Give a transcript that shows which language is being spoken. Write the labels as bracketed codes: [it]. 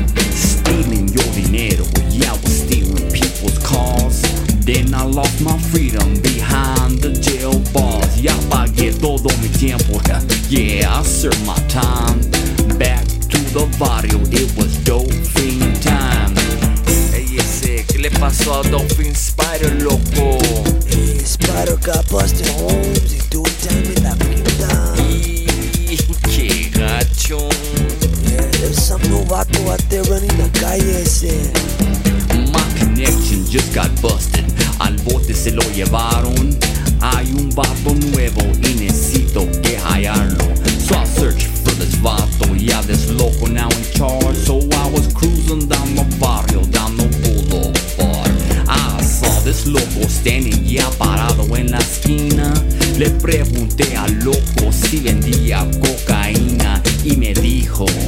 [en] Stealing your dinero, yeah, I was stealing people's cars. Then I lost my freedom behind the jail bars. [es] Ya pagué todo mi tiempo, [en] yeah, I served my time. Back to the barrio, it was Dolphin time. [es] Hey, ese, ¿qué le pasó a Dolphin Spider, loco? [en] Hey, Spider got busted home, he do time in [es] la pinta. Qué gacho. [en] Yeah, some novato out there running the calle, ese. My connection just got busted. [es] Al bote se lo llevaron. Hay un vato nuevo y necesito que hallarlo. [en] So I searched for this vato. Yeah, this loco now in charge. So I was cruising down the barrio, down the boulevard. I saw this loco standing, yeah, [es] parado en la esquina. Le pregunté al loco si vendía cocaína y me dijo,